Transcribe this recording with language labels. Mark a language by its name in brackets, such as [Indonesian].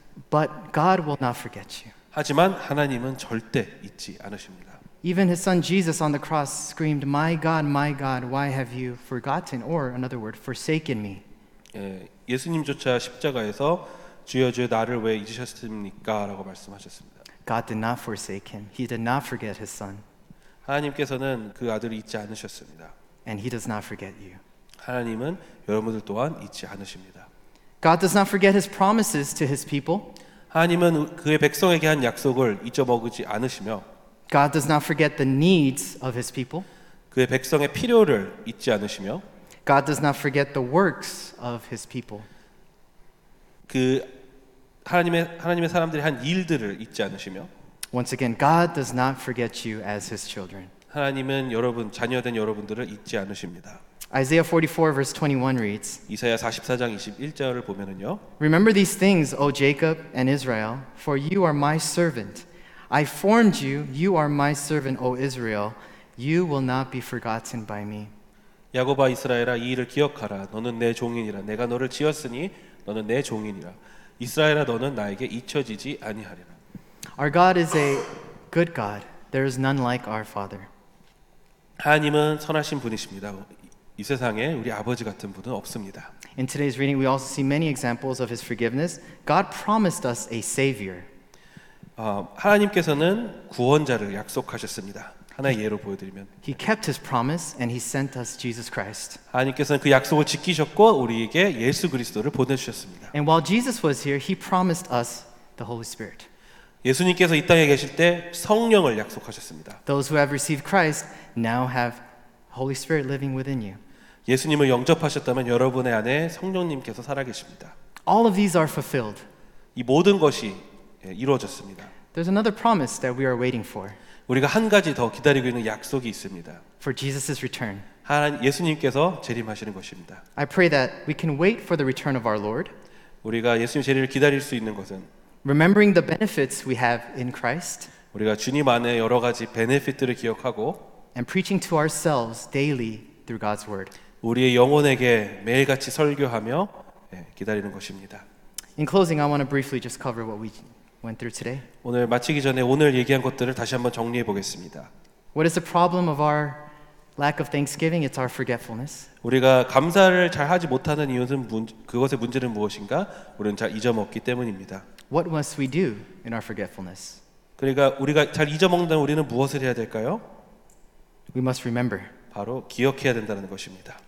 [English] But God will not forget you. [Korean] 하지만 하나님은 절대 잊지 않으십니다. [English] Even his son Jesus on the cross screamed, my God, why have you forgotten, or another word, forsaken me? [Korean] 예수님조차 십자가에서 주여 주여 나를 왜 잊으셨습니까? 라고 말씀하셨습니다. [English] God did not forsake him. He did not forget his son. [Korean] 하나님께서는 그 아들을 잊지 않으셨습니다. [English] And he does not forget you. [Korean] 하나님은 여러분들 또한 잊지 않으십니다. [English] God does not forget his promises to his people. [Korean] 하나님은 그의 백성에게 한 약속을 잊어먹지 않으시며 [English] God does not forget the needs of his people. [Korean] 그의 백성의 필요를 잊지 않으시며 [English] God does not forget the works of his people. [Korean] 그 하나님의 사람들이 한 일들을 잊지 않으시며. [English] Once again, God does not forget you as his children. [Korean] 하나님은 여러분 자녀된 여러분들을 잊지 않으십니다. [English] Isaiah 44 verse 21 reads. [Korean] 이사야 44장 21절을 보면은요. [English] Remember these things, O Jacob and Israel, for you are my servant. I formed you, you are my servant, O Israel. You will not be forgotten by me. [Korean] 야곱아 이스라엘아 이 일을 기억하라. 너는 내 종이니라. 내가 너를 지었으니 너는 내 종이니라. 이스라엘아 너는 나에게 잊혀지지 아니하리라. [English] Our God is a good God. There is none like our Father. [Korean] 하나님은 선하신 분이십니다. 이 세상에 우리 아버지 같은 분은 없습니다. [English] In today's reading, we also see many examples of his forgiveness. God promised us a savior. [Korean] 하나님께서는 구원자를 약속하셨습니다. 하나의 예로 보여드리면. [English] He kept his promise and he sent us Jesus Christ. [Korean] 하나님께서는 그 약속을 지키셨고 우리에게 예수 그리스도를 보내주셨습니다. [English] And while Jesus was here, he promised us the Holy Spirit. [Korean] 예수님께서 이 땅에 계실 때 성령을 약속하셨습니다. [English] Those who have received Christ now have Holy Spirit living within you. [Korean] 예수님을 영접하셨다면 여러분의 안에 성령님께서 살아계십니다. [English] All of these are fulfilled. [Korean] 이 모든 것이 이루어졌습니다. [English] There's another promise that we are waiting for. [Korean] 우리가 한 가지 더 기다리고 있는 약속이 있습니다. [English] For Jesus' return. [Korean] 예수님께서 재림하시는 것입니다. [English] I pray that we can wait for the return of our Lord. [Korean] 우리가 예수님 재림을 기다릴 수 있는 것은 [English] Remembering the benefits we have in Christ. [Korean] 우리가 주님 안에 여러 가지 베네핏들을 기억하고 [English] And preaching to ourselves daily through God's word. [Korean] 우리의 영혼에게 매일같이 설교하며 기다리는 것입니다. [English] In closing, I want to briefly just cover what we went through today. [Korean] 오늘 마치기 전에 오늘 얘기한 것들을 다시 한번 정리해 보겠습니다. [English] What is the problem of our lack of thanksgiving? It's our forgetfulness. [Korean] 우리가 감사를 잘 하지 못하는 이유는 그것의 문제는 무엇인가? 우리는 잘 잊어먹기 때문입니다. [English] What must we do in our forgetfulness? [Korean] 그러니까 우리가 잘 잊어먹는다면 우리는 무엇을 해야 될까요? [English] We must remember. [Korean] 바로 기억해야 된다는 것입니다.